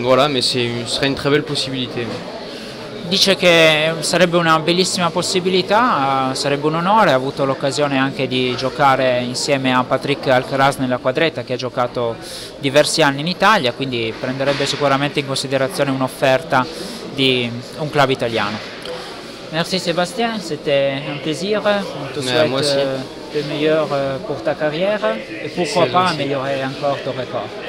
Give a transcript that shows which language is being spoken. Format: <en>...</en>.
<fr>Mais ce serait une très belle possibilité.</fr> <it>Dice che sarebbe una bellissima possibilità, sarebbe un onore, ha avuto l'occasione anche di giocare insieme a Patrick Alcaraz nella quadretta che ha giocato diversi anni in Italia, quindi prenderebbe sicuramente in considerazione un'offerta di un club italiano.</it> <fr>Merci Sébastien, c'était un plaisir, on te souhaite le meilleur pour ta carrière e pourquoi pas améliorer encore ton record.</fr>